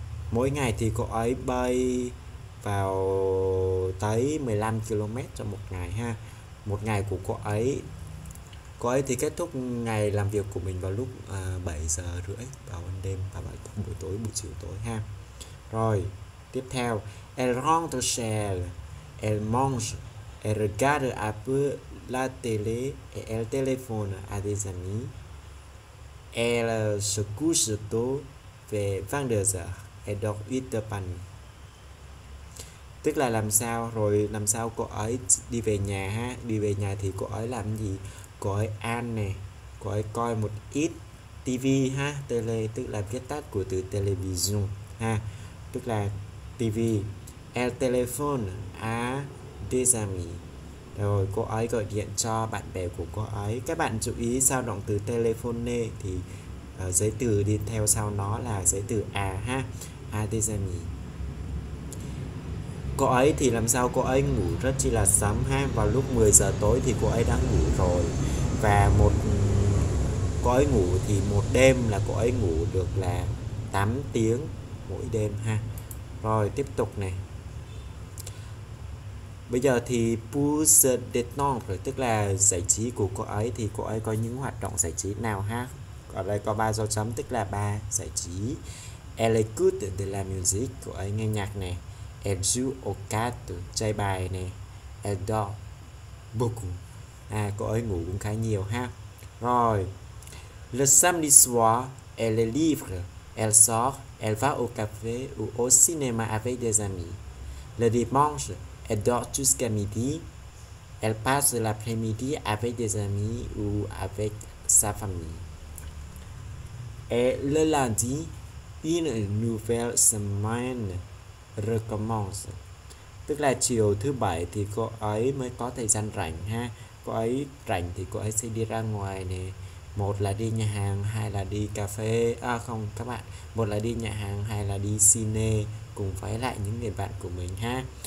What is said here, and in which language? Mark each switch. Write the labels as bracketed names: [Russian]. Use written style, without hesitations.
[Vietnamese] Mỗi ngày thì cô ấy bơi vào tới 15 km trong một ngày ha. Một ngày của cô ấy thì kết thúc ngày làm việc của mình vào lúc 7 giờ rưỡi vào ban đêm và vào buổi tối, buổi chiều tối ha. Rồi tiếp theo, [French] elle rentre chez elle. Elle mange, elle regarde un peu la télé et elle téléphone à des amis. Elle se couche tôt vers 22 h, elle dort 8 h par nuit. [Vietnamese] Tức là làm sao rồi làm sao cô ấy đi về nhà ha, đi về nhà thì cô ấy làm gì, cô ấy ăn nè, cô ấy coi một ít TV ha, tele tức là viết tắt của từ television ha, tức là TV. [French] Elle téléphone à des amis. [Vietnamese] Rồi cô ấy gọi điện cho bạn bè của cô ấy. Các bạn chú ý sao động từ téléphoner thì giấy từ đi theo sau nó là giấy từ à ha, à des amis. Cô ấy thì làm sao, cô ấy ngủ rất chi là sớm ha, vào lúc 10 giờ tối thì cô ấy đã ngủ rồi. Và một cô ấy ngủ thì một đêm là cô ấy ngủ được là 8 tiếng mỗi đêm ha. Rồi tiếp tục này. Bây giờ thì [French] pour se détendre, [Vietnamese] tức là giải trí của cô ấy, thì cô ấy có những hoạt động giải trí nào ha? Ở đây có 3 dấu chấm, tức là 3 giải trí. [French] Elle écoute de la musique, [Vietnamese] cô ấy nghe nhạc này. Emzu okatu, chơi bài này. Edo boku. À, cô ấy ngủ cũng khá nhiều ha. Rồi. [French] Le samedi soir, elle est libre. Elle sort, elle va au café ou au cinéma avec des amis. Le dimanche, elle dort jusqu'à midi. Elle passe l'après-midi avec des amis ou avec sa famille. Et le lundi, une nouvelle semaine recommence. [Vietnamese] Tức là chiều thứ bảy thì cô ấy mới có thời gian rảnh ha. Cô ấy rảnh thì cô ấy sẽ đi ra ngoài nè. Một là đi nhà hàng, hai là đi cà phê. À không các bạn, một là đi nhà hàng, hai là đi cine cùng với lại những người bạn của mình ha.